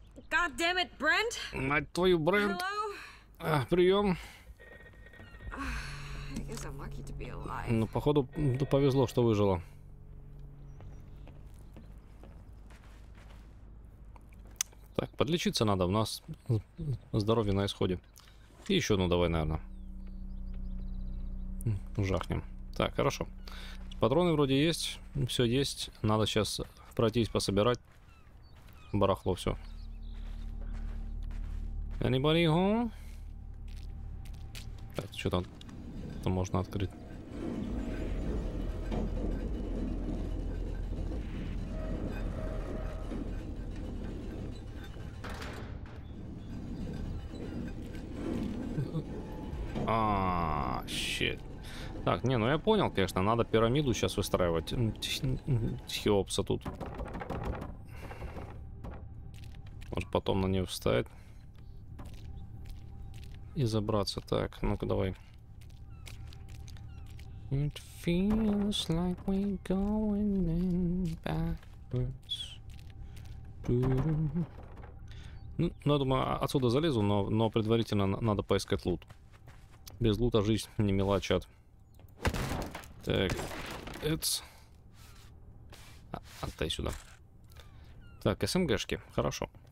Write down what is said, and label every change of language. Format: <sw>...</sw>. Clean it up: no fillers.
<en>God damn it, Брент.</en> <ru>Мать твою, Брент.</ru> <en>Hello?</en> <ru>Прием.</ru> <en>I guess I'm lucky to be alive.</en> <ru>Ну, походу, повезло, что выжила. Так, подлечиться надо, у нас здоровье на исходе. И еще одну давай, наверное. Жахнем. Так, хорошо. Патроны вроде есть, все есть. Надо сейчас пройтись, пособирать. Барахло все.</ru> <en>Anybody home?</en> <ru>Так, что там? Там можно открыть. А, щит. Так, не, ну я понял, конечно, надо пирамиду сейчас выстраивать. Хеопса тут. Может потом на нее встать. И забраться. Так, ну-ка давай.</ru> <en>It feels like we're going in backwards.</en> <ru>Ну, я думаю, отсюда залезу, но предварительно надо поискать лут. Без лута жизнь не мила, чат. Так, это... Отдай сюда. Так, СМГшки, хорошо.</ru>